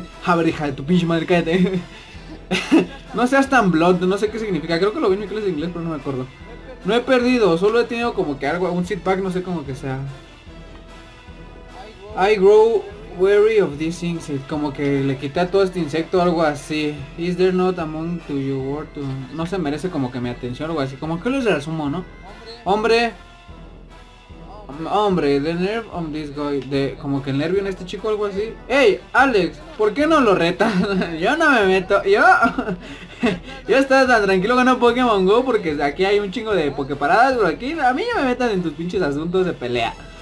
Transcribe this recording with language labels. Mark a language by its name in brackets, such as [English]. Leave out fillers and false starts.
[Spanish] A ver, hija de tu pinche madre, cállate. No seas tan blunt, no sé qué significa. Creo que lo vi en mi clase de inglés, pero no me acuerdo. No he perdido, solo he tenido como que algo, un seat pack, no sé cómo que sea. [English] I grow weary of these insects. [Spanish] Como que le quité a todo este insecto o algo así. [English] Is there not among to you or to... [Spanish] No se merece como que mi atención o algo así. Como que les resumo, ¿no? Hombre. Hombre, [English] the nerve on this guy. [Spanish] Como que el nervio en este chico o algo así. ¡Ey, Alex! ¿Por qué no lo retas? Yo no me meto. Yo estaba tan tranquilo ganando Pokémon GO porque aquí hay un chingo de pokeparadas, pero aquí a mí ya me metan en tus pinches asuntos de pelea.